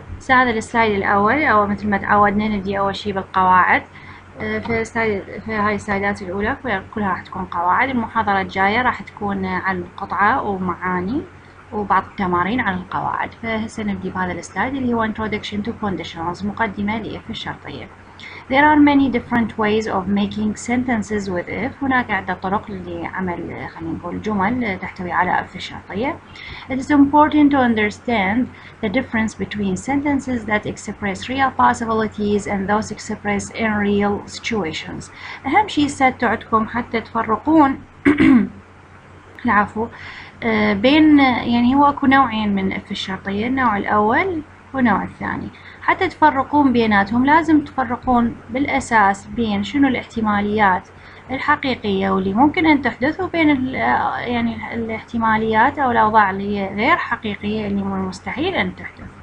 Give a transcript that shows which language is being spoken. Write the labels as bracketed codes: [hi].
[ar] هذا السلايد الأول، أو مثل ما تعودنا نبدأ أول شيء بالقواعد. في هاي السلايدات الأولى كلها راح تكون قواعد. المحاضرة الجاية راح تكون عن قطعة ومعاني وبعض التمارين عن القواعد. فهسه نبدأ بهذا السلايد اللي هو [en] introduction to conditionals، [ar] مقدمة للإف الشرطية. [en] There are many different ways of making sentences with if. [ar] هناك عدة طرق لعمل خلينا نقول جمل تحتوي على if الشرطية. [en] It is important to understand the difference between sentences that express real possibilities and those express in real situations. [ar] أهم شيء ستعدكم حتى تفرقون العفو بين يعني هو اكو نوعين من if الشرطية، النوع الأول والنوع الثاني. حتى تفرقون بيناتهم لازم تفرقون بالأساس بين شنو الاحتماليات الحقيقية واللي ممكن أن تحدث، وبين يعني الاحتماليات أو الأوضاع اللي غير حقيقية اللي من المستحيل أن تحدث.